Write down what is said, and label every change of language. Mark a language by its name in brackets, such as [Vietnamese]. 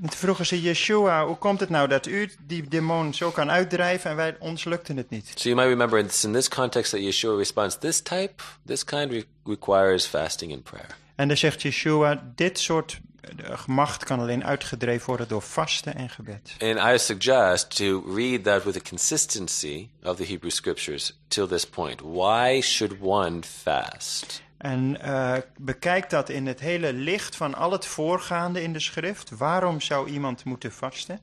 [Dutch] Vroegen ze Yeshua, hoe komt het nou dat u die demon zo kan uitdrijven en wij ons lukte het niet? [English] So you might remember in this context that Yeshua responds, this kind requires fasting and prayer. [Dutch] En dan zegt Yeshua, dit soort macht kan alleen uitgedreven worden door vasten en gebed. [English] And I suggest to read that with the consistency of the Hebrew scriptures till this point. Why should one fast? [Dutch] En bekijk dat in het hele licht van al het voorgaande in de schrift. Waarom zou iemand moeten vasten?